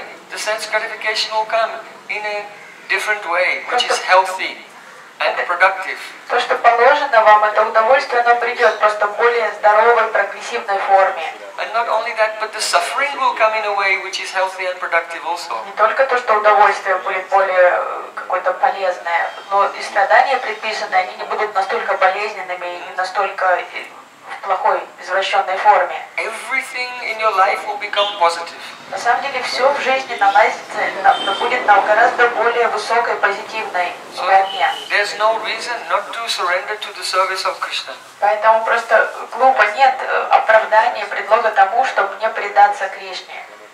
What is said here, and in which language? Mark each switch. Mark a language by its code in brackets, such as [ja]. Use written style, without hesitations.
[en] The sense gratification will come in a different way, which is healthy and productive. [ru] То, что положено вам, это удовольствие, оно придет просто в более здоровой, прогрессивной форме. [en] And not only that, but the suffering will come in a way which is healthy and productive also. [ru] Не только то, что удовольствие будет более какое-то полезное, но и страдания предписанные, они не будут настолько болезненными и настолько в плохой, извращенной форме. [en] Everything in your life will become positive. [ru] На самом деле, все в жизни налазится, будет на гораздо более высокой, позитивной волне. [en] There's no reason not to surrender to the service of Krishna. [ru] Поэтому просто глупо, нет оправдания, предлога тому, чтобы не предаться Кришне.